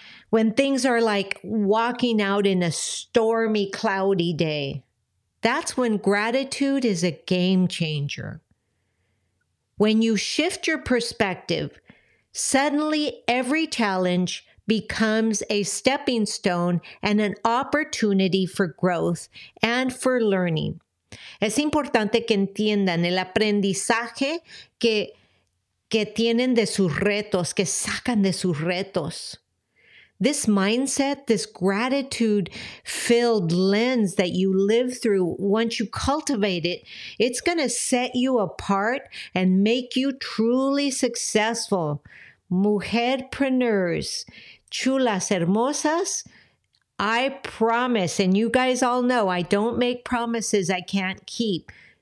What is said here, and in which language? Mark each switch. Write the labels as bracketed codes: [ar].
[en] When things are like walking out in a stormy, cloudy day, that's when gratitude is a game changer. When you shift your perspective, suddenly every challenge becomes a stepping stone and an opportunity for growth and for learning. [es] Es importante que entiendan el aprendizaje que tienen de sus retos, que sacan de sus retos. [en] This mindset, this gratitude-filled lens that you live through, once you cultivate it, it's going to set you apart and make you truly successful. Mujerpreneurs, [es] chulas hermosas, [en] I promise, and you guys all know, I don't make promises I can't keep.